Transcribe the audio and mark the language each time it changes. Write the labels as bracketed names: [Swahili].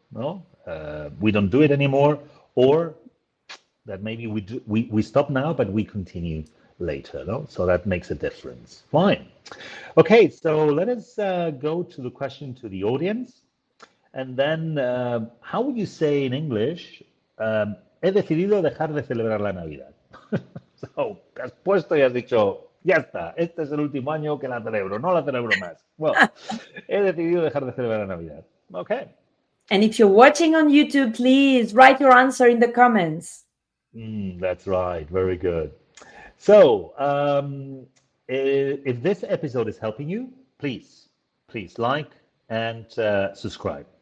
[English] No, we don't do it anymore, or that maybe we stop now, but we continue later. No, so that makes a difference. Fine. Okay, so let us go to the question to the audience, and then how would you say in English? [Spanish] He decidido dejar de celebrar la Navidad. So, has puesto y has dicho. Ya está, este es el último año que la celebro, no la celebro más. Well, he decidido dejar de celebrar la Navidad. [English] Okay. And if you're watching on YouTube, please write your answer in the comments. That's right. Very good. So if this episode is helping you, please like and subscribe.